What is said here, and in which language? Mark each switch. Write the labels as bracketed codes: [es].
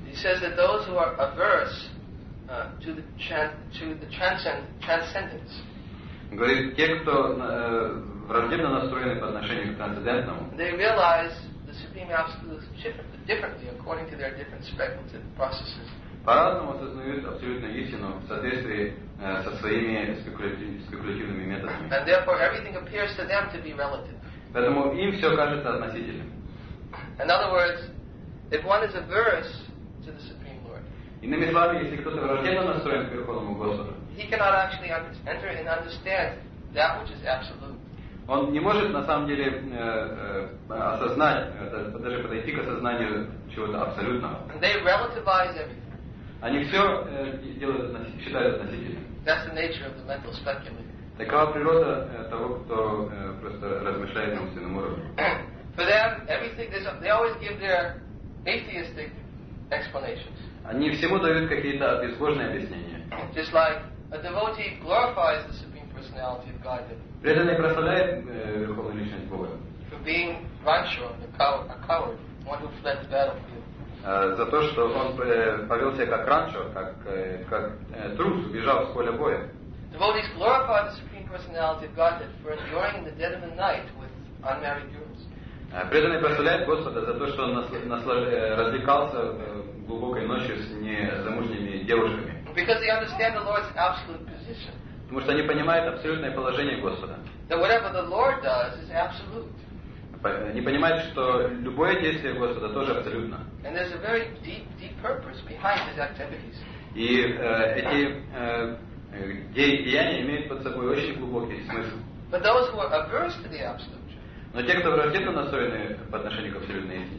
[en] He says that those who are averse to the transcendence. [ru] Говорит, те, кто враждебно настроены по отношению к трансцендентному, [en] they realize the supreme absolute shift differently according to their different speculative processes. [ru] По-разному осознают абсолютно истину в соответствии со своими спекулятивными методами. [en] And therefore everything appears to them to be relative. [ru] Поэтому им все кажется относительным. [en] In other words, if one is averse to the Supreme Lord, [ru] иными словами, если кто-то враждебно настроен к Верховному Господу, [en] he cannot actually enter and understand that which is absolute. [ru] Он не может на самом деле осознать, даже подойти к осознанию чего-то абсолютного. [en] They relativize everything. [ru] Они все делают, считают относительно. [en] That's the nature of the mental speculative. [ru] Такова природа того, кто просто размышляет на умственном уровне. [en] For them, everything is, they always give their atheistic explanations. [ru] Они всему дают какие-то безбожные объяснения. [en] Just like a devotee glorifies the Supreme Personality of Godhead. [ru] Преданный прославляет Верховную Личность Бога. [en] For being rancho, a coward, one who fled the battlefield. [ru] За то, что он повел себя как ранчо, как трус, убежал с поля боя. [en] Devotees glorify the Supreme Personality of Godhead for enduring the dead of the night with unmarried girls. [ru] Преданный прославляет Господа за то, что он развлекался глубокой ночью с незамужними девушками. [en] Because they understand the Lord's absolute position. [ru] Потому что они понимают абсолютное положение Господа. [en] That whatever the Lord does is absolute. [ru] Они понимают, что любое действие Господа тоже абсолютно. [en] And there's a very deep purpose behind his activities. [ru] И эти деяния имеют под собой очень глубокий смысл. [en] But those who are averse to the absolute. [ru] Но те, кто враждебно настроены по отношению к абсолютной истине.